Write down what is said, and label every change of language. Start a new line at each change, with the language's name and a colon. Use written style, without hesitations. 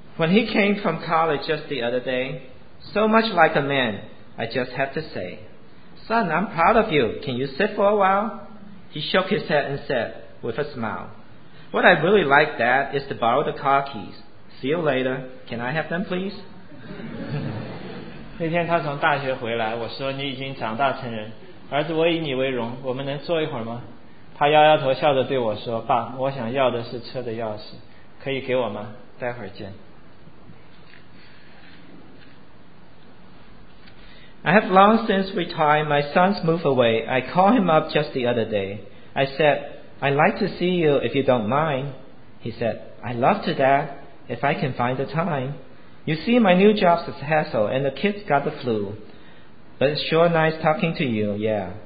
English: he came from college just the other day, so much like a man, I just have to say, son, I'm proud of you. Can you sit for a while? He shook his head and said with a smile, what I really like that is to borrow the car keys. See you later. Can I have them, please?
Chinese: 那天他从大学回来，我说：“你已经长大成人，儿子，我以你为荣。我们能坐一会儿吗？”他摇摇头，笑着对我说：“爸，我想要的是车的钥匙，可以给我吗？待会儿见。”I
English: have long since retired. My son's moved away. I called him up just the other day. I said, "I'd like to see you if you don't mind." He said, "I'd love to, Dad, if I can find the time." You see, my new job's a hassle, and the kids got the flu. But it's sure nice talking to you, yeah.